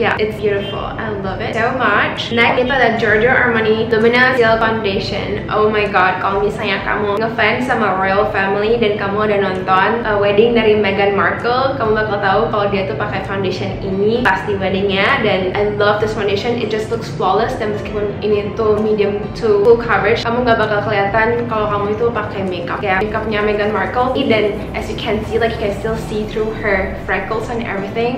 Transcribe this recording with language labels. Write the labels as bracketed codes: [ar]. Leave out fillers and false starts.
[en] But yeah, it's beautiful, I love it so much. [id] Next, itu ada Giorgio Armani Lumina Seal Foundation. Oh my god, kalau misalnya kamu ngefans sama royal family dan kamu udah nonton wedding dari Meghan Markle, kamu bakal tahu kalau dia tuh pakai foundation ini pas di weddingnya. Dan [en] I love this foundation, it just looks flawless. [id] Dan meskipun ini tuh [en] medium to full coverage, [id] kamu gak bakal kelihatan kalau kamu itu pakai makeup. Kayak makeupnya Meghan Markle ini, dan [en] as you can see, like you can still see through her freckles and everything.